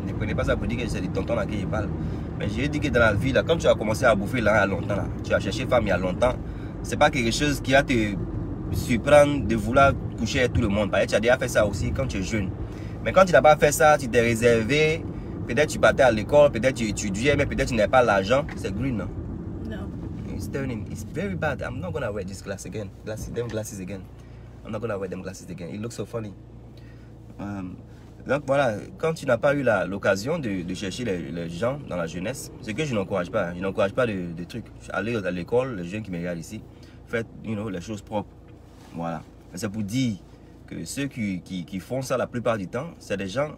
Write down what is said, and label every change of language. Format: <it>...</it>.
<fr>Ne prenez pas ça pour dire que c'est du tonton à qui je parle. Mais j'ai dit que dans la vie, là, quand tu as commencé à bouffer là, il y a longtemps, là, tu as cherché femme il y a longtemps, ce n'est pas quelque chose qui a te... surprendre de vouloir coucher tout le monde. Par exemple, tu as déjà fait ça aussi quand tu es jeune. Mais quand tu n'as pas fait ça, tu t'es réservé. Peut-être tu partais à l'école, peut-être tu étudiais, mais peut-être tu n'avais pas l'argent. C'est green, non? Non.</fr> <en>It's turning. It's very bad. I'm not gonna wear this glass again. I'm not gonna wear them glasses again. It looks so funny.</en> <fr>Donc voilà, quand tu n'as pas eu l'occasion de chercher les gens dans la jeunesse, ce que je n'encourage pas. Je n'encourage pas de trucs. Aller à l'école, les jeunes qui me regardent ici, faites,</fr> <en>you know,</en> <fr>les choses propres. Voilà. Mais c'est pour dire que ceux qui font ça la plupart du temps, c'est des gens.</fr>